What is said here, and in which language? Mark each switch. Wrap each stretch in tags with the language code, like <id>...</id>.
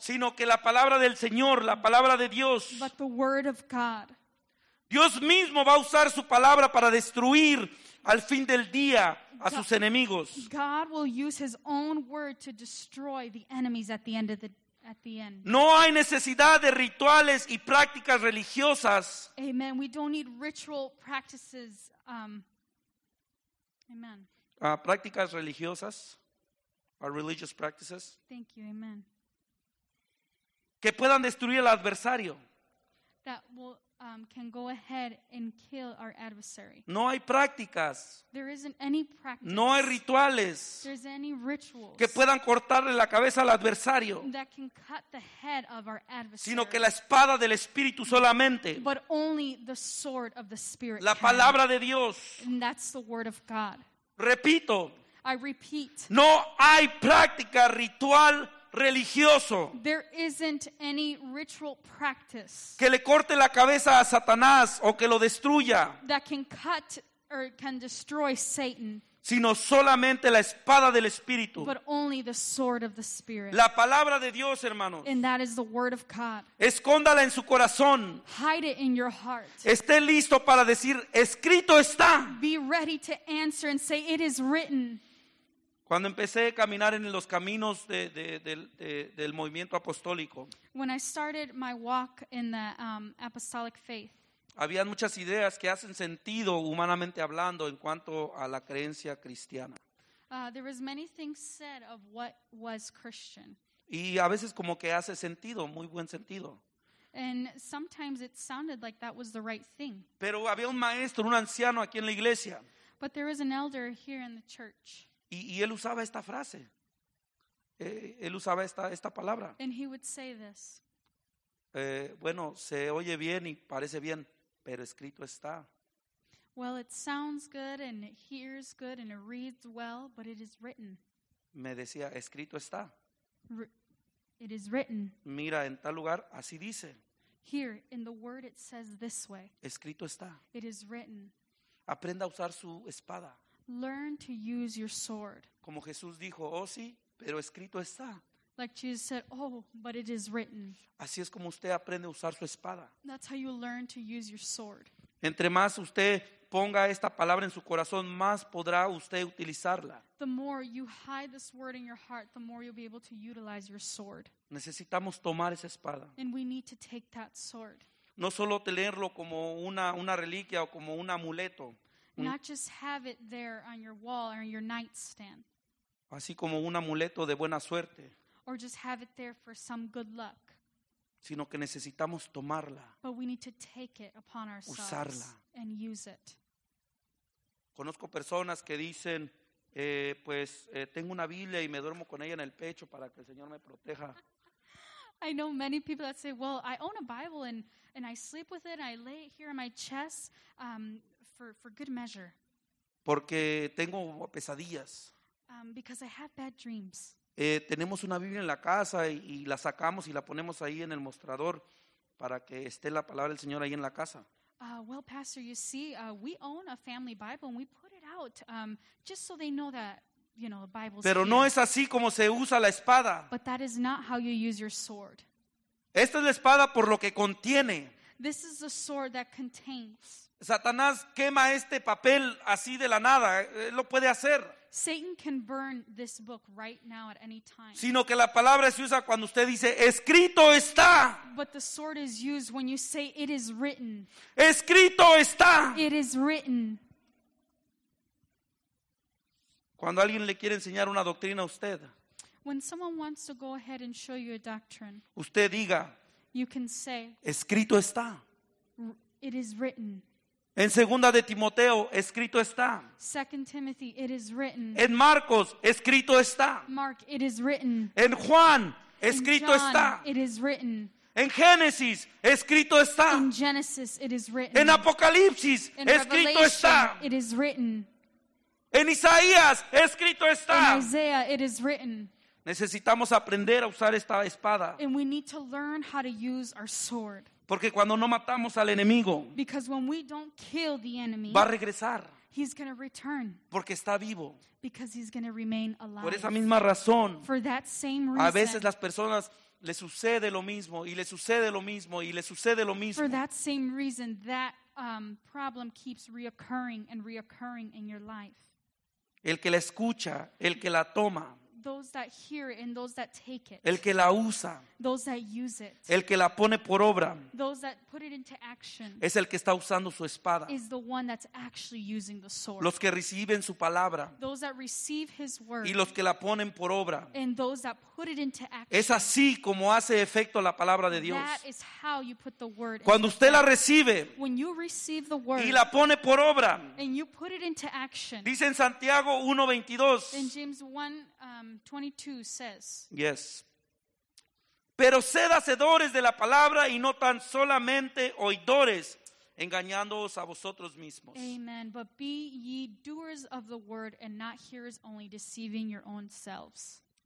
<es>Sino que la palabra del Señor, la palabra de Dios.</es> <en>But the word of God.</en> <es>Dios mismo va a usar su palabra para destruir al fin del día a sus enemigos.</es> <en>God will use his own word to destroy the enemies at the end of the day. At the end.</en> <es>No hay necesidad de rituales y prácticas religiosas.</es> <en>Amen. We don't need ritual practices. Amen.</en> <es>Prácticas religiosas.</es> <en>Or religious practices. Thank you. Amen.</en> <es>Que puedan destruir al adversario.</es> <en>That will, can go ahead and kill our adversary.</en> <es>No hay prácticas.</es> <en>There isn't any practice.</en> <es>No hay rituales.</es> <en>There's any rituals.</en> <es>Que puedan cortarle la cabeza al adversario.</es> <en>That can cut the head of our adversary.</en> <es>Sino que la espada del Espíritu solamente.</es> <en>But only the sword of the Spirit.</en> <es>La palabra de Dios.</es> <en>And that's the word of God.</en> <es>Repito.</es> <en>I repeat.</en> <es>No hay práctica ritual religioso.</es> <en>There isn't any ritual practice</en> <es>que le corte la cabeza a Satanás o que lo destruya.</es> <en>That can cut or can destroy Satan.</en> <es>Sino solamente la espada del Espíritu.</es> <en>But only the sword of the Spirit.</en> <es>La palabra de Dios, hermanos.</es> <en>And that is the word of God.</en> <es>Escóndala en su corazón.</es> <en>Hide it in your heart.</en> <es>Esté listo para decir, escrito está.</es> <en>Be ready to answer and say, it is written.</en> <es>Cuando empecé a caminar en los caminos del movimiento apostólico,</es> <en>when I started my walk in the apostolic faith,</en> <es>había muchas ideas que hacen sentido humanamente hablando en cuanto a la creencia cristiana.</es> <en>There was many things said of what was Christian.</en> <es>Y a veces como que hace sentido, muy buen sentido.</es> <en>And sometimes it sounded like that was the right thing.</en> <es>Pero había un maestro, un anciano aquí en la iglesia.</es> <en>But there was an elder here in the church.</en> <es>Y él usaba esta frase. Él usaba esta palabra.</es> <en>And he would say this.</en> <es>Bueno, se oye bien y parece bien, pero escrito está.</es> <en>Well, it sounds good and it hears good and it reads well, but it is written.</en> <es>Me decía, escrito está.</es> <en>It is written.</en> <es>Mira, en tal lugar, así dice.</es> <en>Here, in the word, it says this way.</en> <es>Escrito está.</es> <en>It is written.</en> <es>Aprenda a usar su espada.</es> <en>Learn to use your sword.</en> <es>Como Jesús dijo, oh sí, pero escrito está.</es> <en>Like Jesus said, oh, but it is written.</en> <es>Así es como usted aprende a usar su espada.</es> <en>That's how you learn to use your sword.</en> <es>Entre más usted ponga esta palabra en su corazón, más podrá usted utilizarla.</es> <en>The more you hide this word in your heart, the more you'll be able to utilize your sword.</en> <es>Necesitamos tomar esa espada.</es> <en>And we need to take that sword.</en> <es>No solo tenerlo como una reliquia o como un amuleto.</es> <en>Not just have it there on your wall or your nightstand.</en> <es>Así como un amuleto de buena suerte.</es> <en>Or just have it there for some good luck.</en> <es>Sino que necesitamos tomarla.</es> <en>But we need to take it upon ourselves.</en> <es>Usarla.</es> <en>And use it.</en> <es>Conozco personas que dicen, tengo una Biblia y me duermo con ella en el pecho para que el Señor me proteja.</es> <en>I know many people that say, well, I own a Bible and I sleep with it and I lay it here on my chest. For good measure.</en> <es>Porque tengo pesadillas.</es> <en>Because I have bad dreams.</en> <es>Tenemos una Biblia en la casa y la sacamos y la ponemos ahí en el mostrador para que esté la palabra del Señor ahí en la casa.</es> <en>Well, Pastor, you see, we own a family Bible and we put it out just so they know that, you know, the Bible's.</en> <es>Pero no es así como se usa la espada.</es> <en>But that is not how you use your sword.</en> <es>Esta es la espada por lo que contiene.</es> <en>This is the sword that contains.</en> <es>Satanás quema este papel así de la nada. Él lo puede hacer.</es> <en>Satan can burn this book right now at any time.</en> <es>Sino que la palabra se usa cuando usted dice, escrito está.</es> <en>But the sword is used when you say, it is written.</en> <es>Escrito está.</es> <en>It is written.</en> <es>Cuando alguien le quiere enseñar una doctrina a usted.</es> <en>When someone wants to go ahead and show you a doctrine.</en> <es>Usted diga.</es> <en>You can say.</en> <es>Escrito está.</es> <en>It is written.</en> <es>En segunda de Timoteo, escrito está.</es> <en>2 Timothy, it is written.</en> <es>En Marcos, escrito está.</es> <en>Mark, it is written.</en> <es>En Juan, escrito</es> <en>John,</en> <es>está.</es> <en>It is written.</en> <es>En Génesis escrito está.</es> <en>In Genesis it is written.</en> <es>En Apocalipsis escrito está.</es> <en>It is written.</en> <es>En Isaías escrito está.</es> <en>In Isaiah it is written.</en> <es>Necesitamos aprender a usar esta espada.</es> <en>And we need to learn how to use our sword.</en> <es>Porque cuando no matamos al enemigo,</es> <en>because when we don't kill the enemy,</en> <es>va a regresar.</es> <en>He's going to return.</en> <es>Porque está vivo.</es> <en>Because he's going to remain alive.</en> <es>Por esa misma razón.</es> <en>For that same reason.</en> <es>A veces las personas le sucede lo mismo y le sucede lo mismo y le sucede lo mismo.</es> <en>For that same reason, that problem keeps reoccurring and reoccurring in your life.</en> <es>El que la escucha, el que la toma.</es> <en>Those that hear it and those that take it.</en> <es>El que la usa.</es> <en>Those that use it.</en> <es>El que la pone por obra.</es> <en>Those that put it into action.</en> <es>Es el que está usando su espada.</es> <en>Is the one that's actually using the sword.</en> <es>Los que reciben su palabra.</es> <en>Those that receive his word.</en> <es>Y los que la ponen por obra.</es> <en>And those that put it into action.</en> <es>Es así como hace efecto la palabra de Dios.</es> <en>That is how you put the word.</en> <es>Cuando usted la recibe.</es> <en>When you receive the word.</en> <es>Y la pone por obra.</es> <en>And you put it into action.</en> <es>Dice en Santiago 1:22.</es> <en>In James 1 22 says. Yes.</en> <es>Pero sed hacedores de la palabra y no tan solamente oidores, engañándoos a vosotros mismos.</es> <en>Amen. But be ye doers of the word and not hearers only, deceiving your own selves.</en>